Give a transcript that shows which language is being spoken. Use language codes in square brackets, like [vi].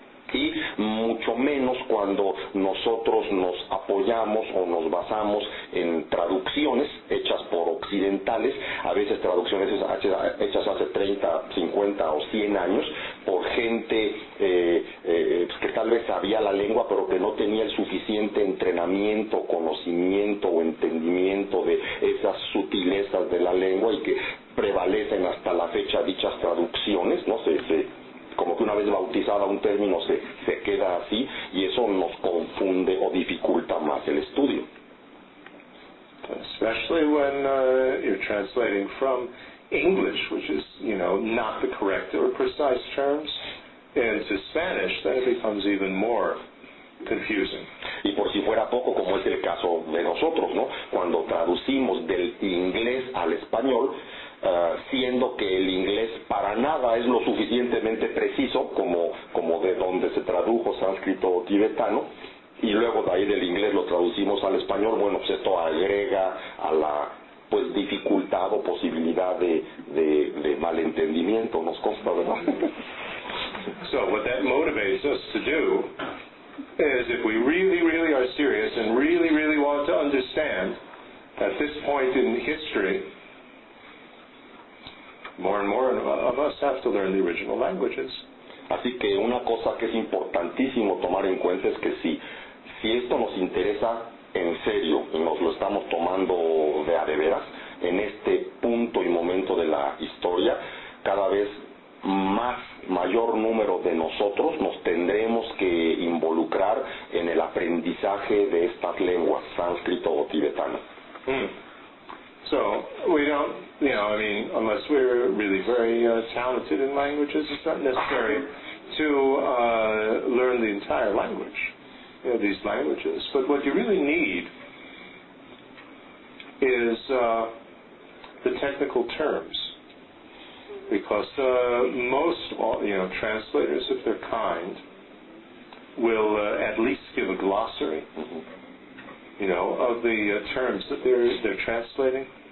[es] Y mucho menos cuando nosotros nos apoyamos o nos basamos en traducciones hechas por occidentales, a veces traducciones hechas hace 30, 50 o 100 años, por gente que tal vez sabía la lengua, pero que no tenía el suficiente entrenamiento, conocimiento o entendimiento de esas sutilezas de la lengua y que prevalecen hasta la fecha dichas traducciones, no sé, como que una vez bautizada un término se queda así, y eso nos confunde o dificulta más el estudio. [en] Especially when you're translating from English, which is, you know, not the correct or precise terms, into Spanish, then it becomes even more confusing. [es] Y por si fuera poco, como es el caso de nosotros, ¿no? Cuando traducimos del inglés al español, siendo que el inglés para nada es lo suficientemente preciso como de donde se tradujo sánscrito o tibetano, y luego de ahí del inglés lo traducimos al español, bueno, pues esto agrega a la pues dificultad o posibilidad de malentendimiento, nos consta, ¿verdad? [en] So what that motivates us to do is, if we really really are serious and really really want to understand at this point in history, more and more of us have to learn the original languages. [es] Así que una cosa que es importantísimo tomar en cuenta es que si esto nos interesa en serio y nos lo estamos tomando de veras en este punto y momento de la historia, cada vez más mayor número de nosotros nos tendremos que involucrar en el aprendizaje de estas lenguas, sánscrito o tibetano. [en] So we don't, you know, I mean, unless we're really very talented in languages, it's not necessary to learn the entire language, you know, these languages. But what you really need is the technical terms, because most, you know, translators, if they're kind, will at least give a glossary, you know, of the terms that they're translating.